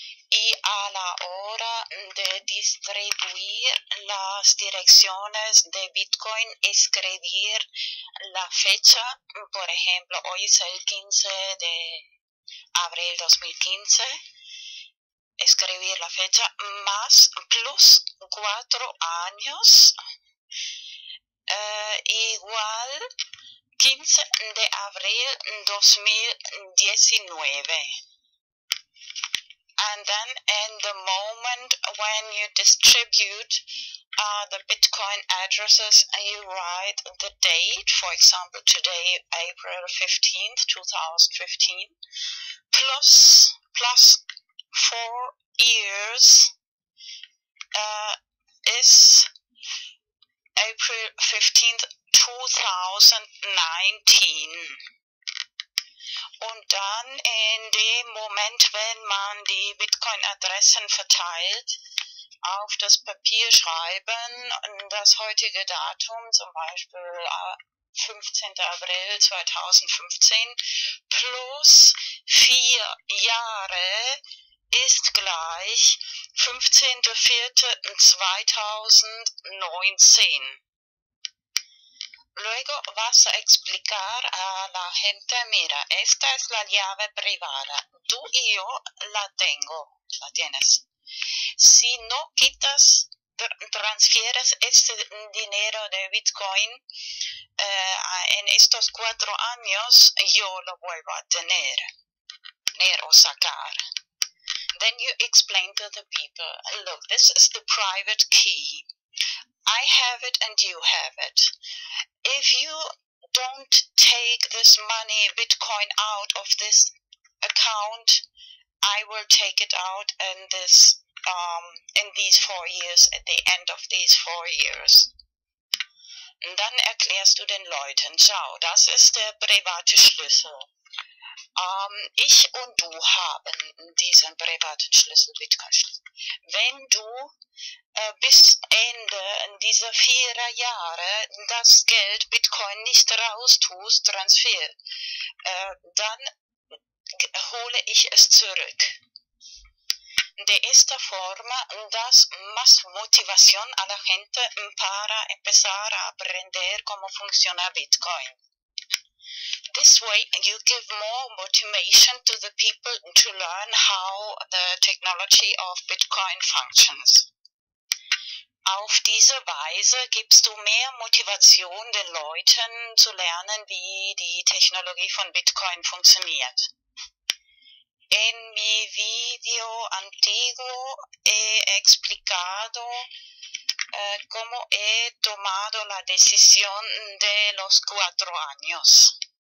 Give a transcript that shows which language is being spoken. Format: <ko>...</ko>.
<es>Y a la hora de distribuir las direcciones de Bitcoin, escribir la fecha, por ejemplo, hoy es el 15 de abril 2015, escribir la fecha más plus 4 años, igual 15 de abril 2019.</es> <en>And then in the moment when you distribute the Bitcoin addresses, you write the date, for example, today, April 15th, 2015, plus 4 years is April 15th, 2019.</en> <de>Und dann in dem Moment, wenn man die Bitcoin-Adressen verteilt, auf das Papier schreiben, das heutige Datum, zum Beispiel 15. April 2015, plus 4 Jahre ist gleich 15.04.2019.</de> <es>Luego vas a explicar a la gente, mira, esta es la llave privada. Tú y yo la tengo, la tienes. Si no quitas, transfieres ese dinero de Bitcoin en estos 4 años, yo lo vuelvo a tener o sacar.</es> <en>Then you explain to the people, look, this is the private key. I have it and you have it. If you don't take this money, Bitcoin, out of this account, I will take it out in this in these 4 years, at the end of these 4 years.</en> <de>Und dann erklärst du den Leuten, schau, das ist der private Schlüssel. Ich und du haben diesen privaten Schlüssel, Bitcoin-Schlüssel. Wenn du bis Ende dieser 4 Jahre das Geld Bitcoin nicht raus tust, Transfer, dann hole ich es zurück.</de> <es>De esta forma das más motivación a la gente para empezar a aprender cómo funciona Bitcoin.</es> <en>This way you give more motivation to the people to learn how the technology of Bitcoin functions.</en> <de>Auf diese Weise gibst du mehr Motivation den Leuten zu lernen, wie die Technologie von Bitcoin funktioniert.</de> <es>En mi video antiguo he explicado cómo he tomado la decisión de los 4 años.</es>